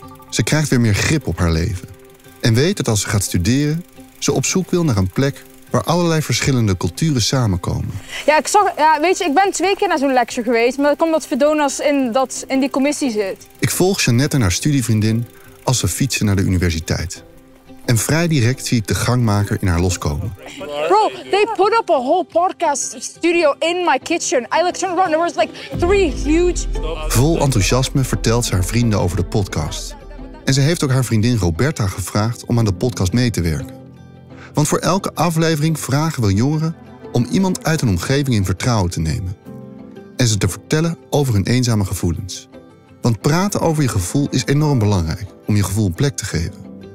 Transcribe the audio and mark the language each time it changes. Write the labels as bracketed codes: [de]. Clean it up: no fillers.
[nl] Ze krijgt weer meer grip op haar leven. En weet dat als ze gaat studeren, ze op zoek wil naar een plek waar allerlei verschillende culturen samenkomen. Ik ben 2 keer naar zo'n lecture geweest, maar dat komt omdat Fedona's in die commissie zit. Ik volg Jeannette en haar studievriendin als ze fietsen naar de universiteit. En vrij direct zie ik de gangmaker in haar loskomen. [en] Bro, they put up a whole podcast studio in my kitchen. I like turned around, there was like 3 huge... [nl] Vol enthousiasme vertelt ze haar vrienden over de podcast. En ze heeft ook haar vriendin Roberta gevraagd om aan de podcast mee te werken. Want voor elke aflevering vragen we jongeren om iemand uit hun omgeving in vertrouwen te nemen. En ze te vertellen over hun eenzame gevoelens. Want praten over je gevoel is enorm belangrijk om je gevoel een plek te geven.